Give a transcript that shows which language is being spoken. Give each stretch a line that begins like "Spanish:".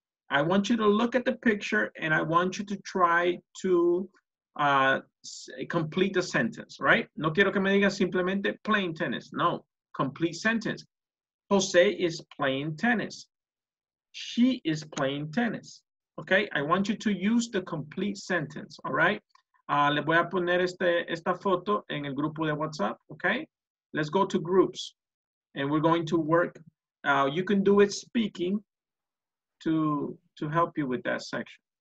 English: I want you to look at the picture and I want you to try to complete the sentence, right?
Spanish: No quiero que me digas simplemente
English: playing tennis.
Spanish: No,
English: complete sentence. Jose is playing tennis. She is playing tennis. Okay, I want you to use the complete sentence, all right?
Spanish: Le voy a poner esta foto en el grupo de WhatsApp, okay?
English: Let's go to groups, and we're going to work. You can do it speaking to help you with that section.